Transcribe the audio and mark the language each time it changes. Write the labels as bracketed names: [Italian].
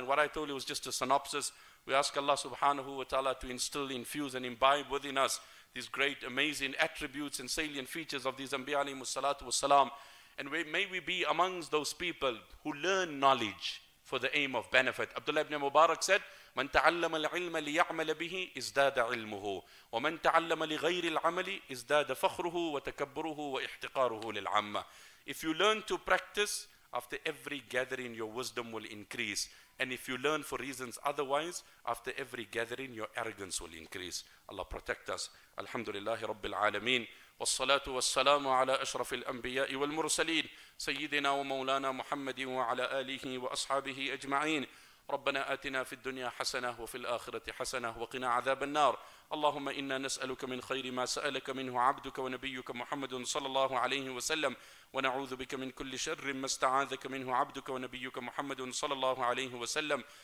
[English] And what I told you was just a synopsis. We ask Allah subhanahu wa ta'ala to instill, infuse and imbibe within us these great, amazing attributes and salient features of these Anbiya alayhi salatu wa salam. And may we be amongst those people who learn knowledge for the aim of benefit. Abdullah ibn Mubarak said, [Arabic] من تعلم العلم ليعمل به ازداد علمه ومن تعلم لغير العمل ازداد فخره وتكبره واحتقاره للعامة. [English] If you learn to practice, after every gathering your wisdom will increase. And if you learn for reasons otherwise, after every gathering your arrogance will increase. Allah protect us. Alhamdulillahi Rabbil Alameen. [Arabic] والصلاة والسلام على أشرف الأنبياء والمرسلين سيدنا ومولانا محمد وعلى آله وأصحابه أجمعين. ربنا آتنا في الدنيا حسنة وفي الآخرة حسنة وقنا عذاب النار. اللهم إنا نسألك من خير ما سألك منه عبدك ونبيك محمد صلى الله عليه وسلم ونعوذ بك من كل شر ما استعاذك منه عبدك ونبيك محمد صلى الله عليه وسلم.